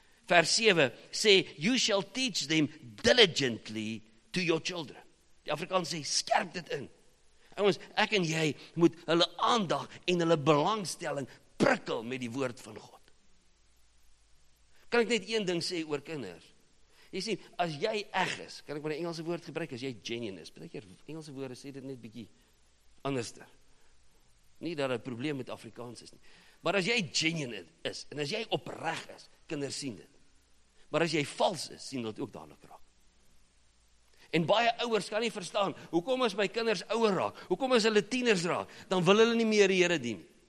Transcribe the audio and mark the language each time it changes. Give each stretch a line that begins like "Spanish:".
Afrikaans: Vers 7 sê,
English: you shall teach them diligently to your children.
Afrikaans: Die Afrikaans sê, skerp dit in. En ons, ek en jy moet hulle aandag en hulle belangstelling prikkel met die woord van God. Kan ek net een ding sê oor kinders? Jy sien, as jy eg is, kan ek maar die Engelse woord gebruik, as jy genuine is, baie keer Engelse woorde sê dit net bietjie anderster. Nie dat dit 'n probleem met Afrikaans is nie. Maar as jy genuine is, en as jy opreg is, kinders sien dit. Maar as jy vals is, sien dit ook dadelik raak. En baie ouers kan nie verstaan, hoekom as my kinders ouer raak, hoekom as hulle tieners raak, dan wil hulle nie meer die Here dien.